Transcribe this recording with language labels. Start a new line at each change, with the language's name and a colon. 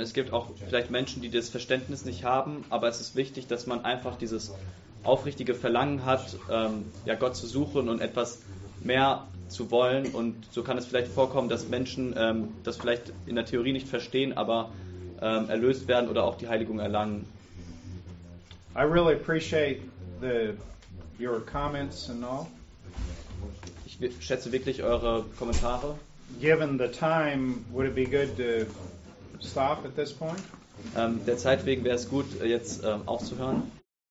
German: Es gibt auch vielleicht Menschen, die das Verständnis nicht haben, aber es ist wichtig, dass man einfach dieses aufrichtige Verlangen hat, Gott zu suchen und etwas mehr zu wollen. Und so kann es vielleicht vorkommen, dass Menschen das vielleicht in der Theorie nicht verstehen, aber erlöst werden oder auch die Heiligung erlangen.
English: I really appreciate the your comments and all.
German: Ich schätze wirklich eure Kommentare.
English: Given the time, would it be good to stop at this point?
German: Der Zeit wegen wäre es gut, jetzt aufzuhören.